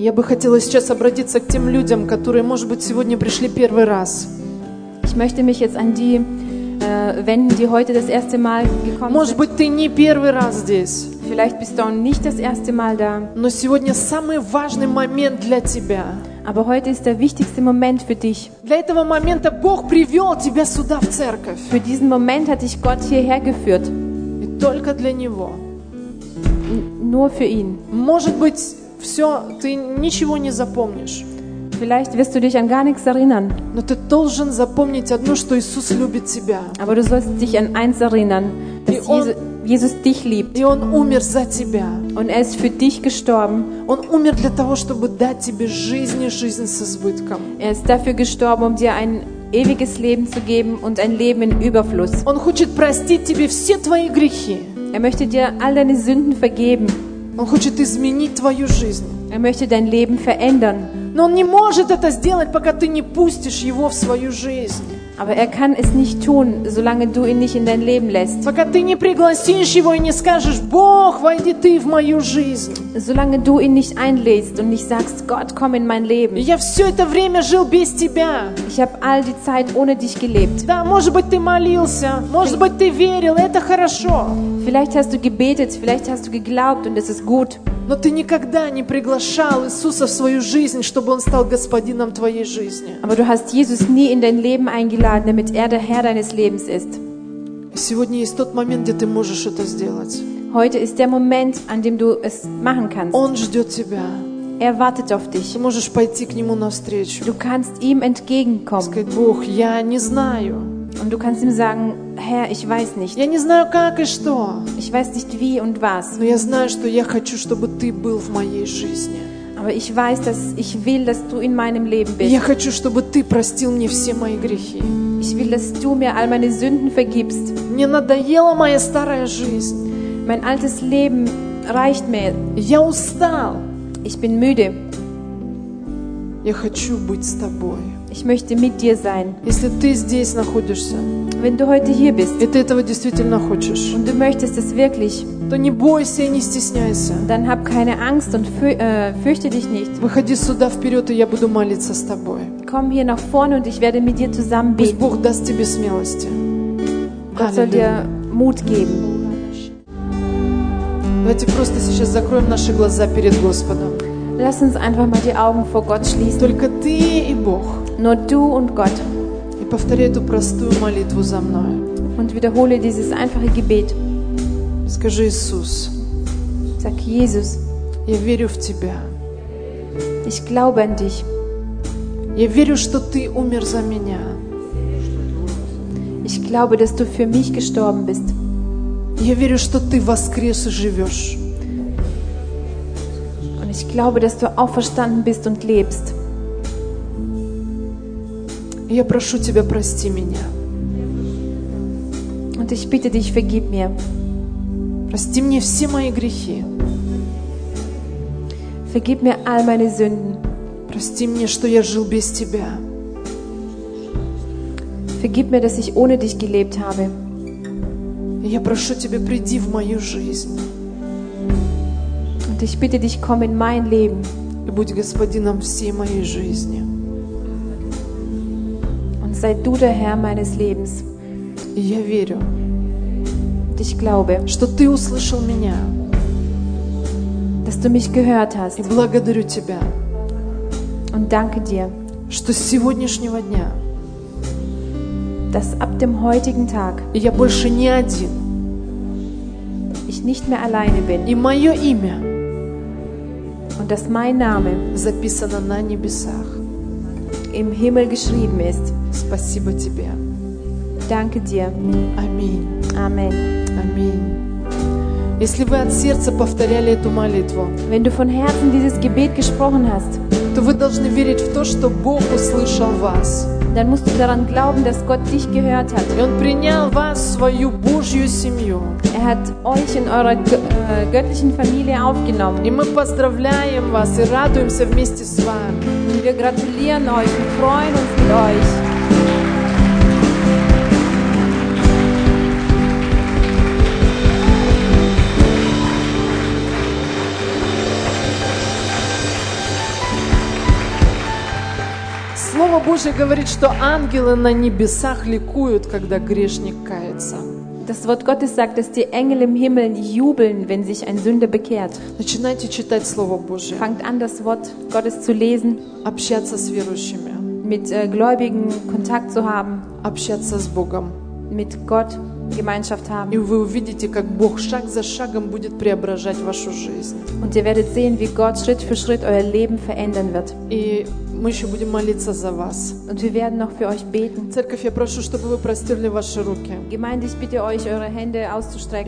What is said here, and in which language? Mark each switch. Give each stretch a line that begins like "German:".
Russian: Я бы хотела сейчас обратиться к тем людям, которые, может быть, сегодня пришли первый раз.
German: Ich möchte mich jetzt an die wenden, die heute das erste Mal gekommen
Russian: может Может быть, ты не первый раз здесь.
German: Vielleicht bist du nicht das erste Mal da.
Russian: Но сегодня самый важный момент для тебя.
German: Aber heute ist der wichtigste Moment für dich.
Russian: Для этого момента Бог привел тебя сюда в церковь.
German: Für diesen Moment hat dich Gott hierher geführt.
Russian: И только для него.
German: Nur für ihn.
Russian: Может быть, все, ты ничего не запомнишь.
German: Vielleicht wirst du dich an gar nichts erinnern.
Russian: Но ты должен запомнить одно, что Иисус любит тебя.
German: Aber du sollst dich an eins erinnern, dass Jesus dich liebt.
Russian: И он умер за тебя.
German: Und er ist für dich gestorben.
Russian: Он умер для того, чтобы дать тебе жизнь и жизнь с избытком.
German: Er ist dafür gestorben, um dir ein ewiges Leben zu geben und ein Leben in Überfluss.
Russian: Он хочет простить тебе все твои грехи.
German: Er möchte dir all deine Sünden vergeben.
Russian: Он хочет изменить твою жизнь.
German: Er möchte dein Leben verändern.
Russian: Но он не может это сделать, пока ты не пустишь его в свою жизнь.
German: Aber er kann es nicht tun, solange du ihn nicht in dein Leben lässt.
Russian: Пока ты не пригласишь его и не скажешь: Бог, войди ты в мою жизнь.
German: Solange du ihn nicht einlädst und nicht sagst: Gott, komm in mein Leben.
Russian: Я все это время жил без тебя.
German: Ich habe all die Zeit ohne dich gelebt.
Russian: Да, может быть, ты молился, может быть, ты верил, это хорошо.
German: Vielleicht hast du gebetet, vielleicht hast du geglaubt und es ist gut.
Russian: Но ты никогда не приглашал Иисуса в свою жизнь, чтобы он стал господином твоей жизни.
German: Aber du hast Jesus nie in dein Leben eingeladen, damit er der Herr deines Lebens ist.
Russian: Сегодня есть тот момент, где ты можешь это сделать.
German: Heute ist der Moment, an dem du es machen kannst.
Russian: Он ждет тебя.
German: Er wartet auf dich.
Russian: Ты можешь пойти к нему навстречу.
German: Du kannst ihm entgegenkommen.
Russian: Сказать: Бог, я не знаю.
German: Und du kannst ihm sagen: Herr, ich weiß nicht.
Russian: Я не знаю, как и что.
German: Ich weiß nicht wie und was.
Russian: Но я знаю, что я хочу, чтобы ты был в моей жизни.
German: Aber ich weiß, dass ich will, dass du in meinem Leben bist.
Russian: Я хочу, чтобы ты простил мне все мои грехи.
German: Ich will, dass du mir all meine Sünden vergibst.
Russian: Мне надоела моя старая жизнь.
German: Mein altes Leben reicht mir.
Russian: Я устал.
German: Ich bin müde.
Russian: Я хочу быть с тобой.
German: Ich möchte mit dir sein.
Russian: Если ты здесь находишься,
German: wenn du heute hier bist,
Russian: и ты этого действительно хочешь,
German: und du möchtest es wirklich,
Russian: то не бойся и не стесняйся.
German: Dann hab keine Angst und fürchte dich nicht.
Russian: Выходи сюда вперед, и я буду молиться с тобой.
German: Komm hier nach vorne und ich werde mit dir zusammen beten.
Russian: Пусть Бог даст тебе смелости.
German: Gott soll dir Mut geben.
Russian: Давайте просто сейчас закроем наши глаза перед Господом.
German: Lass uns einfach mal die Augen vor Gott schließen.
Russian: Только ты и Бог.
German: Nur du und Gott.
Russian: И повторяй эту простую молитву за мной.
German: Und wiederhole dieses einfache Gebet.
Russian: Скажи: Иисус.
German: Sag: Jesus.
Russian: Я верю в тебя.
German: Ich glaube an dich.
Russian: Я верю, что ты умер за меня.
German: Ich glaube, dass du für mich gestorben bist.
Russian: Я верю, что ты воскрес и живешь.
German: Ich glaube, dass du auferstanden bist und lebst.
Russian: Я прошу тебя, прости меня.
German: Und ich bitte dich, vergib mir.
Russian: Прости мне все мои грехи.
German: Vergib mir all meine Sünden.
Russian: Прости мне, что я жил без тебя.
German: Vergib mir, dass ich ohne dich gelebt habe.
Russian: Я прошу тебя, приди в мою жизнь.
German: Und ich bitte dich, komm in mein Leben.
Russian: И будь господином всей моей жизни.
German: Und sei du der Herr meines Lebens.
Russian: И я верю.
German: Und ich glaube.
Russian: Что ты услышал меня.
German: Dass du mich gehört hast.
Russian: И благодарю тебя.
German: Und danke dir.
Russian: Что с сегодняшнего дня.
German: Dass ab dem heutigen Tag.
Russian: И я больше не один.
German: Ich nicht mehr alleine bin.
Russian: И мое имя.
German: Und dass mein Name
Russian: записано на небесах.
German: Im Himmel geschrieben ist.
Russian: Спасибо тебе.
German: Danke dir.
Russian: Аминь. Аминь. Аминь. Если вы от сердца повторяли эту молитву,
German: wenn du von Herzen dieses Gebet gesprochen hast,
Russian: то вы должны верить в то, что Бог услышал вас.
German: dann musst du daran glauben, dass Gott dich gehört hat. Und
Russian: принял вас свою Божью семью.
German: Er hat euch in eurer göttlichen Familie aufgenommen.
Russian: И мы поздравляем вас и радуемся вместе с вами.
German: Und wir gratulieren euch und freuen uns mit euch.
Russian: Слово Божье говорит, что ангелы на небесах ликуют, когда грешник кается.
German: Das Wort Gottes sagt, dass die Engel im Himmel jubeln, wenn sich ein Sünder bekehrt.
Russian: Начинайте читать Слово Божье.
German: Fangt an, das Wort Gottes zu lesen.
Russian: Общаться с верующими.
German: Mit Gläubigen Kontakt zu haben.
Russian: Общаться с Богом.
German: Mit Gott Gemeinschaft haben.
Russian: И вы увидите, как Бог шаг за шагом будет преображать вашу жизнь.
German: Und ihr werdet sehen, wie Gott Schritt für Schritt euer Leben verändern wird.
Russian: И мы еще будем молиться за вас.
German: Und wir werden noch für euch beten.
Russian: Церковь, я прошу, чтобы вы простерли ваши руки.
German: Gemeinde, ich bitte euch, eure Hände auszustrecken.